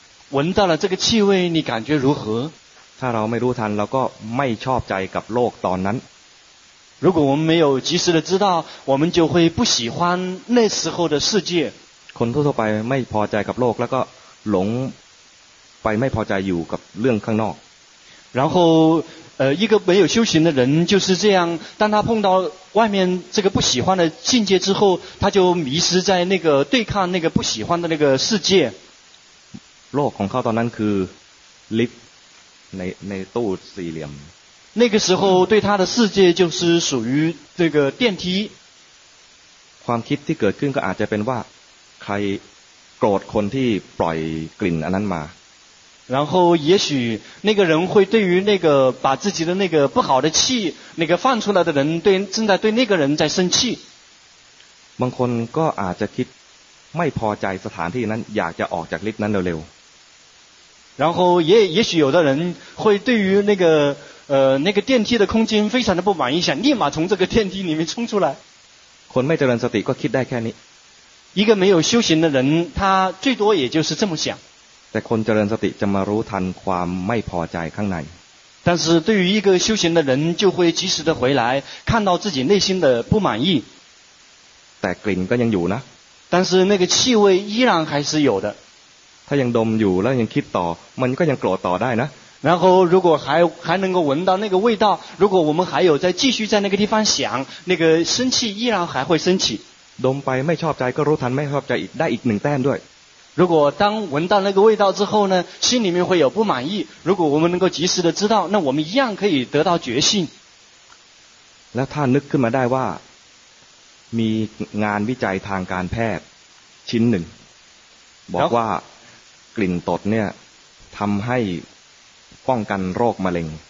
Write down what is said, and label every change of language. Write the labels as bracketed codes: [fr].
[zh] 闻到了这个气味你感觉如何 [th] ถ้าเราไม่รู้ทันเราก็ไม่ชอบใจกับโลกตอนนั้น [zh] 如果我们没有及时的知道我们就会不喜欢那时候的世界 [th] คนทั่วไปไม่พอใจกับโลกแล้วก็หลงไปไม่พอใจอยู่กับเรื่องข้างนอก [zh] 然后一个没有修行的人就是这样当他碰到外面这个不喜欢的境界之后他就迷失在那个对抗那个不喜欢的那个世界 [th] โลกของเขาตอนนั้นคือลิฟต์ในตู้สี่เหลี่ยม [zh] 那个时候对他的世界就是属于这个电梯 [th] ความคิดที่เกิดขึ้นก็อาจจะเป็นว่าใครโกรธคนที่ปล่อยกลิ่นอันนั้นมา [zh] 然后也许那个人会对于那个把自己的那个不好的气那个放出来的人对正在对那个人在生气 [th] บางคนก็อาจจะคิดไม่พอใจสถานที่นั้นอยากจะออกจากลิฟต์นั้นเร็ว [zh] ๆ然后也许有的人会对于那个电梯的空间非常的不满意想立马从这个电梯里面冲出来 [th] คนไม่เจริญสติก็คิดได้แค่นี้ [zh] 一个没有修行的人他最多也就是这么想 [th] แต่คนเจริญสติจะมารู้ทันความไม่พอใจข้างใน [zh] 但是对于一个修行的人就会及时的回来看到自己内心的不满意 [th] แต่กลิ่นก็ยังอยู่นะ [zh] 但是那个气味依然还是有的 [th] ถ้ายังดมอยู่แล้วยังคิดต่อมันก็ยังโกรธต่อได้นะ [zh] 然后如果还能够闻到那个味道如果我们还有在继续在那个地方想那个生气依然还会升起 [th] ดมไปไม่ชอบใจก็รู้ทันไม่ชอบใจได้อีกหนึ่งแต้มด้วย [zh] 如果当闻到那个味道之后呢心里面会有不满意如果我们能够及时的知道那我们一样可以得到觉性 [th] แล้วถ้านึกขึ้นมาได้ว่ามีงานวิจัยทางการแพทย์ชิ้นหนึ่งบอกว่ากลิ่นตดเนี่ยทำให้ป้องกันโรคมะเร็ง